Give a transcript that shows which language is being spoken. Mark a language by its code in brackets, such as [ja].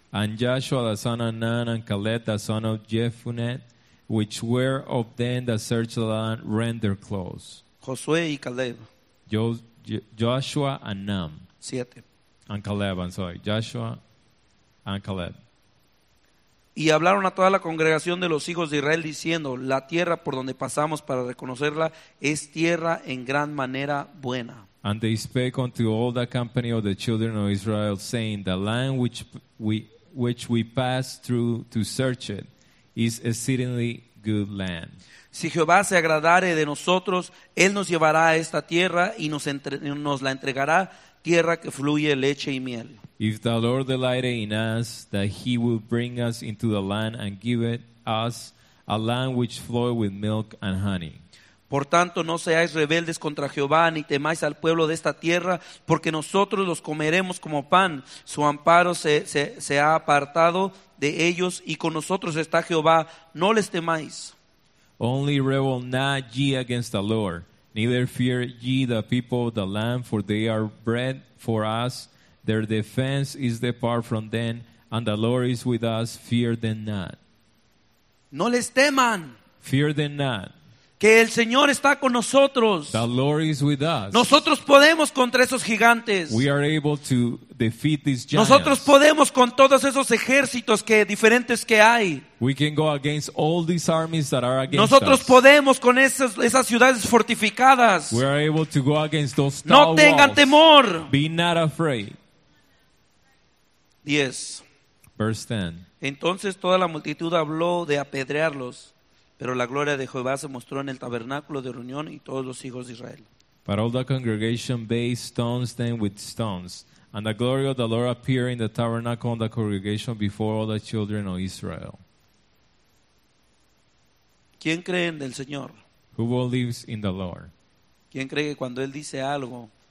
[en] And Joshua the son of Nun and Caleb the son of Jephunneh, which were of them that searched the land, rent their clothes. [es] Josué y Caleb. [en] Joshua and Nun. [es] Siete. [en] And Caleb, I'm sorry. Joshua and Caleb. [es] Y hablaron a toda la congregación de los hijos de Israel diciendo, La tierra por donde pasamos para reconocerla es tierra en gran manera buena. [en] And they spake unto all the company of the children of Israel, saying, The land which we pass through to search it is exceedingly good land. [es] Si Jehová se agradare de nosotros, Él nos llevará a esta tierra y nos la entregará, tierra que fluye leche y miel. [en] If the Lord delighted in us, that He will bring us into the land and give it us, a land which flows with milk and honey. [es] Por tanto, no seáis rebeldes contra Jehová, ni temáis al pueblo de esta tierra, porque nosotros los comeremos como pan. Su amparo se ha apartado de ellos, y con nosotros está Jehová. No les temáis. [en] Only rebel not ye against the Lord, Neither fear ye the people of the land, for they are bread for us. Their defense is depart from them, and the Lord is with us. Fear them not. [es] No les teman. [en] Fear them not. [es] Que el Señor está con nosotros. [en] The Lord is with us. [es] Nosotros podemos contra esos gigantes. [en] We are able to defeat these giants. [es] Nosotros podemos con todos esos ejércitos que diferentes que hay. [en] We can go against all these armies that are against [es] nosotros [en] us. [es] Podemos con esas ciudades fortificadas. [en] We are able to go against those tall [es] no tengan [en] walls. [es] Temor. [en] Be not afraid. [es] 10. [en] Verse 10. [es] Entonces toda la multitud habló de apedrearlos. Pero la gloria de Jehová se mostró en el tabernáculo de reunión y todos los hijos de Israel. [en] But all the congregation based stones then with stones. And the glory of the Lord appeared in the tabernacle of the congregation before all the children of Israel. [es] ¿Quién cree en el Señor? [en] Who believes in the Lord? [es] ¿Quién cree que cuando Él dice algo,